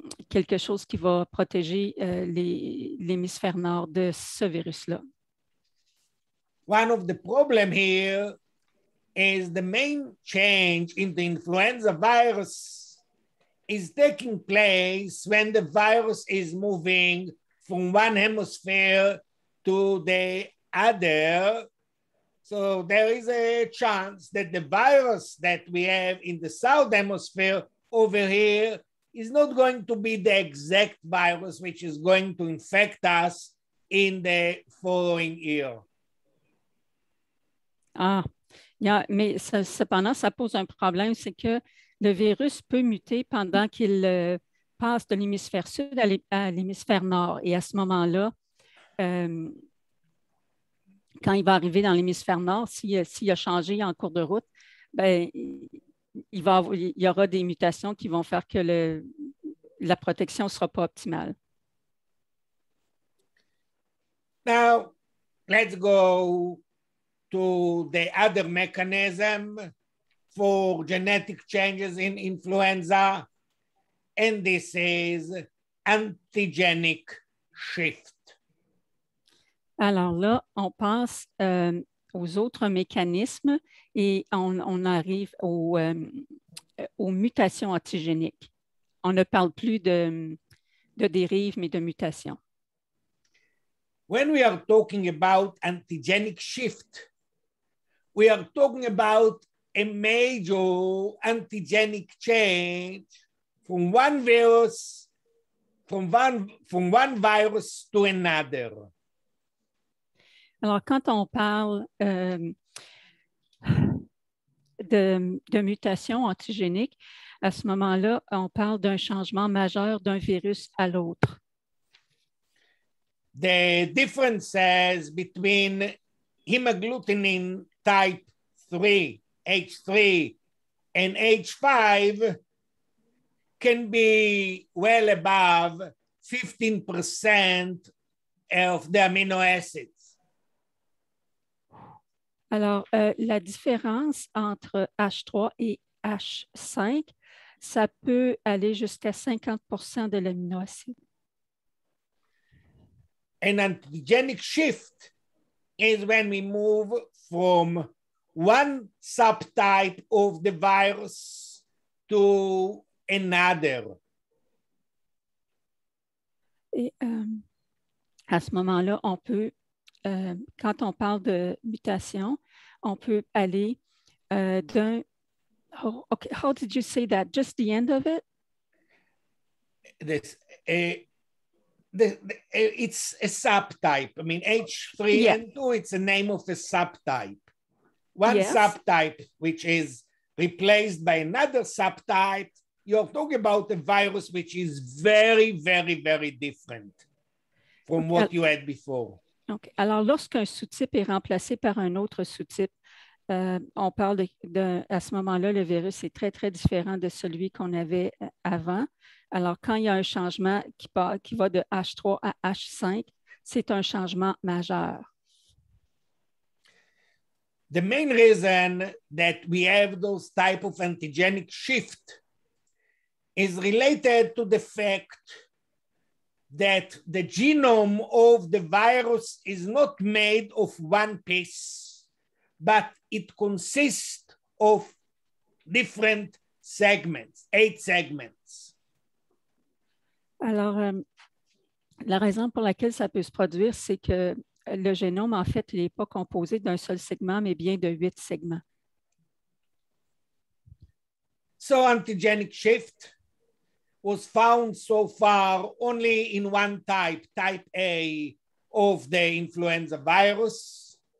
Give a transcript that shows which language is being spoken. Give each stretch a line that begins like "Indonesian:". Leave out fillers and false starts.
French: quelque chose qui va protéger l'hémisphère nord de ce virus-là.
English: One of the problems here is the main change in the influenza virus is taking place when the virus is moving from one hemisphere to the other. So there is a chance that the virus that we have in the south hemisphere over here is not going to be the exact virus which is going to infect us in the following year.
French: Ah, yeah, mais ça, cependant, ça pose un problème, c'est que le virus peut muter pendant qu'il passe de l'hémisphère sud à l'hémisphère nord. Et à ce moment-là, quand il va arriver dans l'hémisphère nord, s'il a changé en cours de route, ben, il y aura des mutations qui vont faire que la protection ne sera pas optimale.
English: Now, let's go to the other mechanism for genetic changes in influenza, and this is antigenic shift.
French: Alors là, on passe aux autres mécanismes et on arrive aux mutations antigéniques. On ne parle plus de dérive, mais de mutation.
English: When we are talking about antigenic shift, we are talking about a major antigenic change from one virus, from one virus to another.
French: Alors, quand on parle de mutation antigénique, à ce moment-là, on parle d'un changement majeur d'un virus à l'autre.
English: The differences between hemagglutinin type 3, H3, and H5 can be well above 15% of the amino acids.
French: Alors, la différence entre H3 et H5, ça peut aller jusqu'à 50% de l'aminoacide.
English: An antigenic shift is when we move from one subtype of the virus to another.
French: Et à ce moment-là, on peut, quand on parle de mutation, on peut aller d'un...
English: Oh, okay. How did you say that? Just the end of it? It's a subtype. I mean, H3N2, yeah. It's a name of a subtype. One yes. Subtype, which is replaced by another subtype, you're talking about a virus which is very, very, very different from what you had before. Okay.
French: Alors, lorsqu'un sous-type est remplacé par un autre sous-type, on parle à ce moment-là, le virus est très, très différent de celui qu'on avait avant. Alors, quand il y a un changement qui va de H3 à H5, c'est un changement majeur.
English: The main reason that we have those type of antigenic shift is related to the fact that the genome of the virus is not made of one piece, but it consists of different segments, 8 segments.
French: Alors, la raison pour laquelle ça peut se produire, c'est que le génome, en fait, il n'est pas composé d'un seul segment, mais bien de 8 segments.
English: So, antigenic shift was found so far only in one type, type A of the influenza virus.